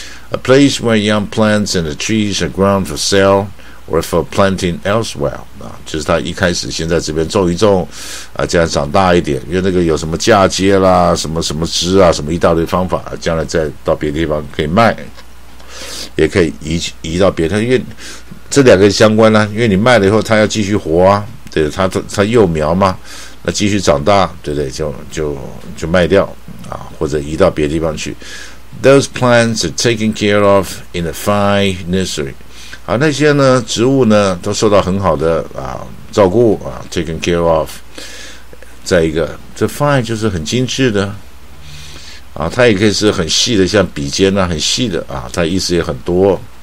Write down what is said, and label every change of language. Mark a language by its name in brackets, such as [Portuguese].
[English] A place where young plants and the trees are grown for sale or for planting elsewhere [Chinese] 啊，就是他一开始先在这边种一种啊，这样长大一点，因为那个有什么嫁接啦，什么什么枝啊，什么一大堆方法，将来再到别的地方可以卖，也可以移到别的，因为这两个相关呢、啊，因为你卖了以后，他要继续活啊。对，它幼苗嘛，那继续长大，对不对？就卖掉啊，或者移到别的地方去。 [English] Those plants are taken care of in a fine nursery。 [Chinese] 啊，那些呢植物呢都受到很好的啊照顾啊 ， [English] taken care of。 [Chinese] 再一个，这 fine 就是很精致的啊，它也可以是很细的，像笔尖啊，很细的啊，它意思也很多。